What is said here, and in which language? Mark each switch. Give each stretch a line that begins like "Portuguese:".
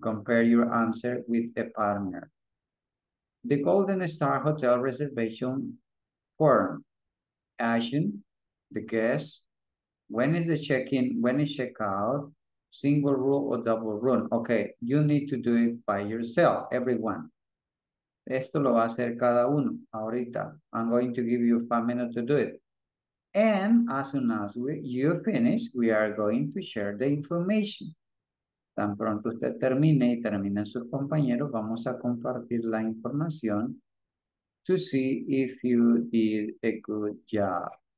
English: Compare your answer with a partner. The Golden Star Hotel reservation form. Action, the guest. When is the check-in? When is check-out? Single room or double room? Okay, you need to do it by yourself, everyone.
Spanish: Esto lo va a hacer cada uno ahorita.
English: I'm going to give you 5 minutes to do it. And as soon as you finish, we are going to share the information.
Spanish: Tan pronto usted termine y termine sus compañeros, vamos a compartir la información
English: to see if you did a good job.